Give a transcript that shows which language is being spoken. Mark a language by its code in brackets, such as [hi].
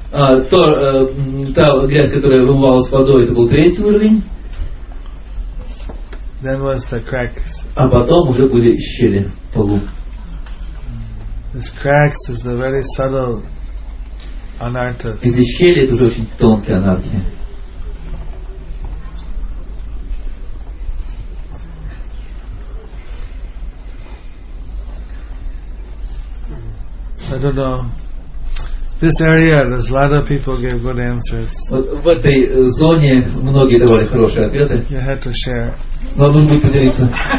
[ru] Та грязь, которая вымывалась водой, это был третий уровень. [en] Then was the cracks. [ru] А потом уже были щели в полу. [en] This cracks is the very subtle anartha. [ru] Эти щели это уже очень тонкие анартхи. [en] I don't know. This area, there's a lot of people give good answers. [ru] В этой зоне многие давали хорошие ответы. [en] You had to share. [ru] Но нужно будет поделиться.